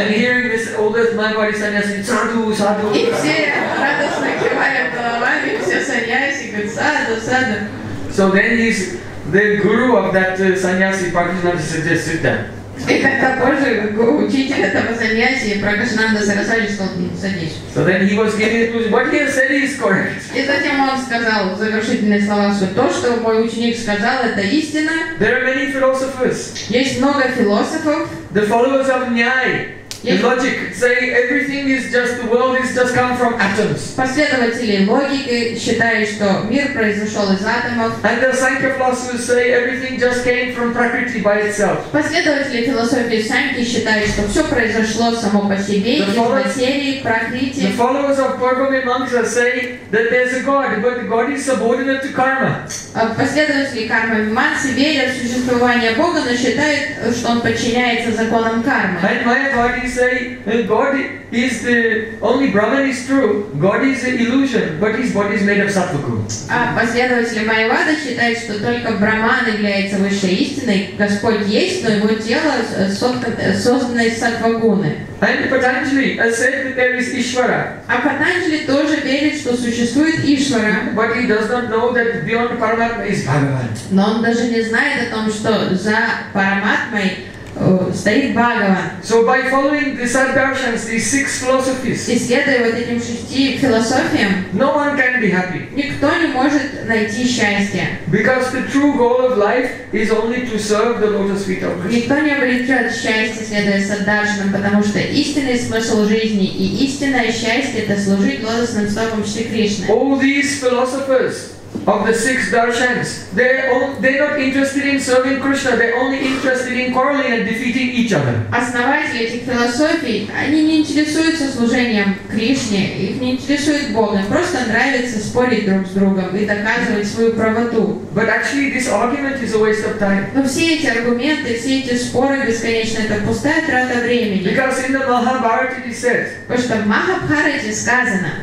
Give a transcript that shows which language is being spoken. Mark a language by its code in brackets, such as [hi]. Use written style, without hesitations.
[en] And hearing this, all the майявади саньяси, саду, саду. [ru] И все радостно кивают головами, все саньяси говорят саду, саду. [en] So then he's the guru of that саньяси, Прокашананда suggests sit down. [ru] И тогда позже учитель этого саньяси Прокашананда Сарасвати сказал, садись. [en] So then he was giving it to what he said is correct. [ru] И затем он сказал завершительные слова, что то, что мой ученик сказал, это истина. [en] There are many philosophers. [ru] Есть много философов. [en] The followers of Nyai. The logic saying everything is just the world is just come from atoms. [ru] Последователи логики считают, что мир произошел из атомов. [en] And the Sankhya philosophers say everything just came from Prakriti by itself. [ru] Последователи философии Санки считают, что все произошло само по себе из материи Прокрити. [en] The followers of Purgamaya Mantra say that there's a God, but God is subordinate to karma. [ru] Последователи кармы Манси верят в существование Бога, но считают, что он подчиняется законам кармы. [en] He say God is the only Brahman is true. God is an illusion, but his body is made of sattvaku. [ru] А последователи майявады считают, что только Брахман является высшей истиной. Господь есть, но его тело создано из сатвагуны. [en] And Patanjali said that there is Ishvara. [ru] А Патанджали тоже верит, что существует Ишвара. [en] But he does not know that beyond Параматма is Бхагаван. [ru] Но он даже не знает о том, что за Параматмой стоит Бхагаван. [en] So by following the Sadarshans, these six philosophies, [ru] исследуя вот этим шести философиям, [en] no one can be happy. [ru] Никто не может найти счастье. [en] Because the true goal of life is only to serve the lotus feet of Krishna. [ru] Никто не обретет счастье, следуя Сандаршанам, потому что истинный смысл жизни и истинное счастье это служить лотосным стопам Шри Кришны. [en] All these philosophers of the six darshans, they're not interested in serving Krishna, they're only interested in quarreling and defeating each other. [ru] Основатели этих философий, они не интересуются служением Кришне, их не интересует Бог, им просто нравится спорить друг с другом и доказывать свою правоту. [en] But actually this argument is a waste of time. [ru] Но все эти аргументы, все эти споры бесконечные, это пустая трата времени. [en] Because in the Mahabharata it says, [ru] потому что в Махабхарате сказано,